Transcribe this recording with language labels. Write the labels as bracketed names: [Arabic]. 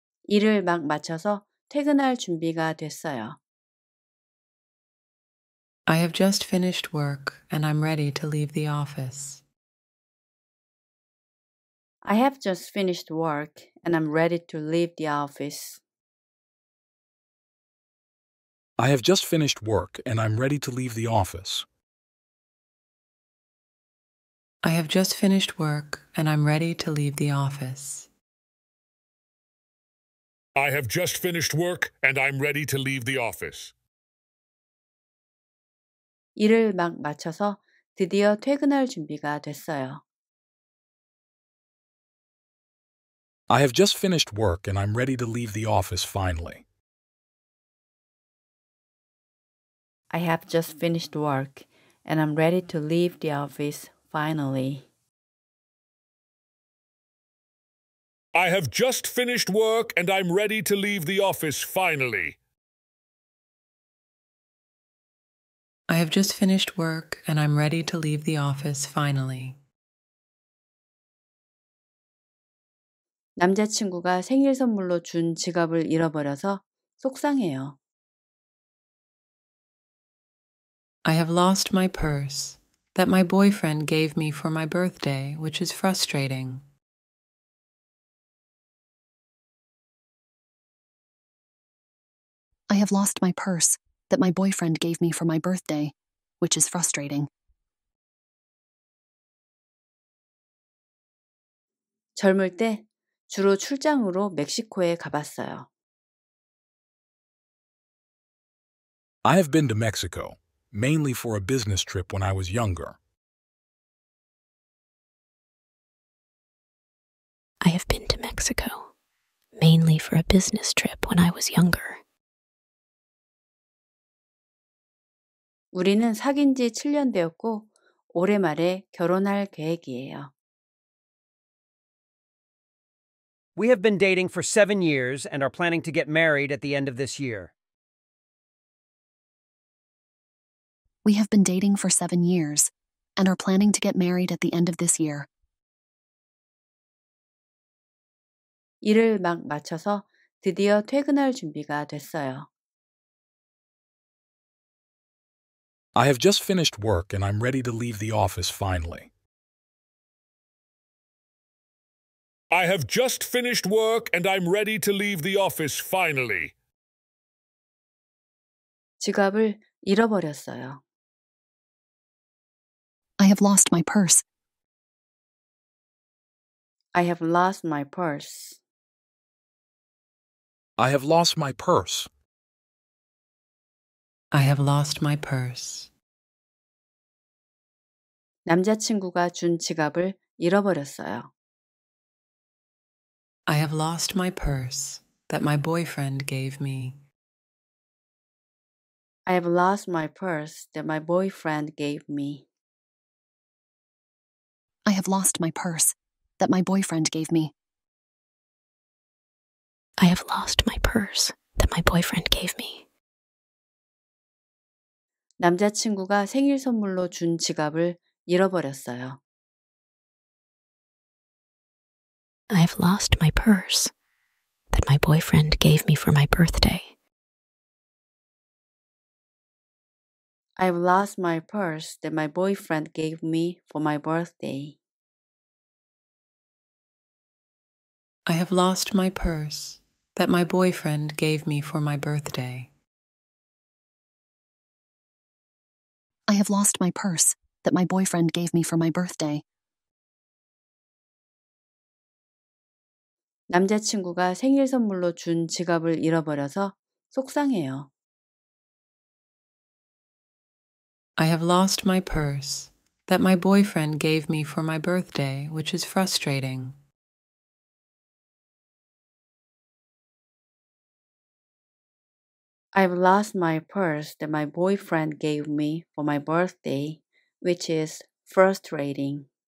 [Korean] 일을 막 마쳐서 퇴근할 준비가 됐어요. [English] I have just finished work and I'm ready to leave the office. I have just finished work and I'm ready to leave the office. I have just finished work and I'm ready to leave the office. I have just finished work and I'm ready to leave the office. I have just finished work and I'm ready to leave the office. [Korean] 일을 막 마쳐서 드디어 퇴근할 준비가 됐어요. [English] I have just finished work and I'm ready to leave the office finally. I have just finished work and I'm ready to leave the office finally. I have just finished work and I'm ready to leave the office finally. I have just finished work and I'm ready to leave the office finally. [Korean] 남자친구가 생일 선물로 준 지갑을 잃어버려서 속상해요. [English] I have lost my purse that my boyfriend gave me for my birthday, which is frustrating. I have lost my purse that my boyfriend gave me for my birthday, which is frustrating. [Korean] 젊을 때 주로 출장으로 멕시코에 가봤어요. [English] I have been to Mexico, mainly for a business trip when I was younger. I have been to Mexico, mainly for a business trip when I was younger. [Korean] 우리는 사귄 지 7년 되었고 올해 말에 결혼할 계획이에요. [English] We have been dating for 7 years and are planning to get married at the end of this year. We have been dating for 7 years and are planning to get married at the end of this year. [Korean] 일을 막 마쳐서 드디어 퇴근할 준비가 됐어요. [English] I have just finished work and I'm ready to leave the office finally. I have just finished work and I'm ready to leave the office finally. [Korean] 지갑을 잃어버렸어요. [English] I have lost my purse. I have lost my purse. I have lost my purse. I have lost my purse. [Korean] 남자친구가 준 지갑을 잃어버렸어요. [English] I have lost my purse that my boyfriend gave me. I have lost my purse that my boyfriend gave me. I have lost my purse that my boyfriend gave me. I have lost my purse that my boyfriend gave me. [Korean] 남자친구가 생일 선물로 준 지갑을 잃어버렸어요. [English] I have lost my purse that my boyfriend gave me for my birthday. I've lost my purse that my boyfriend gave me for my birthday. I have lost my purse that my boyfriend gave me for my birthday. I have lost my purse that my boyfriend gave me for my birthday. [Korean] 남자친구가 생일 선물로 준 지갑을 잃어버려서 속상해요. [English] I have lost my purse that my boyfriend gave me for my birthday, which is frustrating. I've lost my purse that my boyfriend gave me for my birthday, which is frustrating.